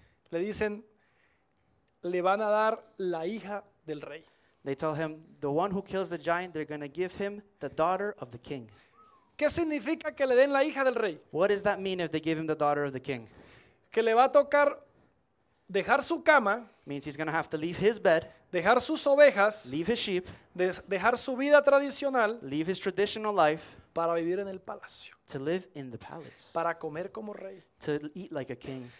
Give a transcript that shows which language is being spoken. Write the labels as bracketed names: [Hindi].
[Spanish] Le dicen, le van a dar la hija del rey. [English] They tell him, the one who kills the giant, they're going to give him the daughter of the king. [Spanish] ¿Qué significa que le den la hija del rey? [English] What does that mean if they give him the daughter of the king? [Spanish] Que le va a tocar dejar su cama. [English] Means he's going to have to leave his bed. [Spanish] Dejar sus ovejas. [English] Leave his sheep. [Spanish] Dejar su vida tradicional. [English] Leave his traditional life. [Spanish] Para vivir en el palacio. [English] To live in the palace. [Spanish] Para comer como rey. [English] To eat like a king.